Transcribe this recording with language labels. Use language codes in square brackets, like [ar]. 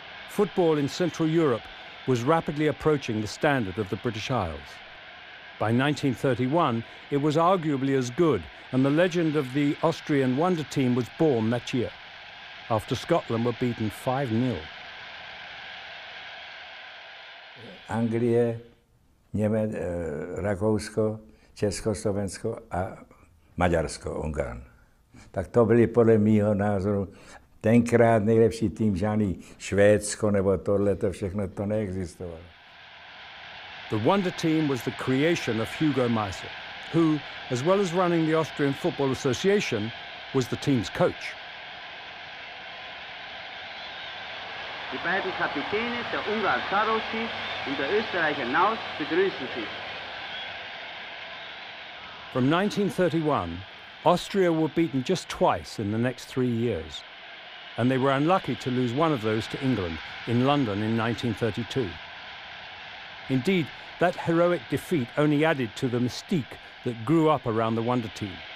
[en] Football in Central Europe was rapidly approaching the standard of the British Isles. By 1931, it was arguably as good, and the legend of the Austrian wonder team was born that year, after Scotland were beaten 5-0. [cs] Anglie, Němec, Rakousko, Československo a Maďarsko, Ungarn. Tak to byly podle mýho názoru tenkrát nejlepší tým, žádný Švédsko nebo tohle, to všechno to neexistovalo. [en] The Wonder Team was the creation of Hugo Meisel, who, as well as running the Austrian Football Association, was the team's coach. [de] Die beiden Kapitäne, der Ungar Sarosi und der Österreicher Naus, begrüßen Sie. [en] From 1931, Austria were beaten just twice in the next 3 years, and they were unlucky to lose one of those to England in London in 1932. Indeed, that heroic defeat only added to the mystique that grew up around the Wonder Team.